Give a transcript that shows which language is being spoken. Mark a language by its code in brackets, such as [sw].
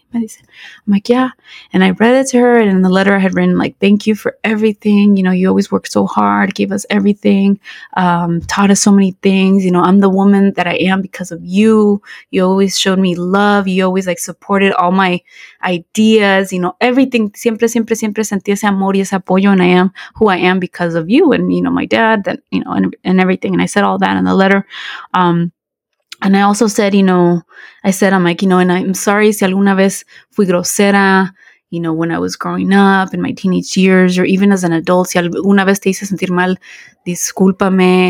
[en] I'm like, "Yeah." And I read it to her. And in the letter I had written, like, "Thank you for everything. You know, you always worked so hard, gave us everything, taught us so many things. You know, I'm the woman that I am because of you. You always showed me love. You always like supported all my ideas, you know, everything. [es] Siempre sentí ese amor y ese apoyo. [en] And I am who I am because of you and, you know, my dad, that, you know, and everything." And I said all that in the letter. And I also said, you know, I said, I'm like, you know, and I'm sorry [es] si alguna vez fui grosera, [en] you know, when I was growing up in my teenage years, or even as an adult, [es] si alguna vez te hice sentir mal, discúlpame.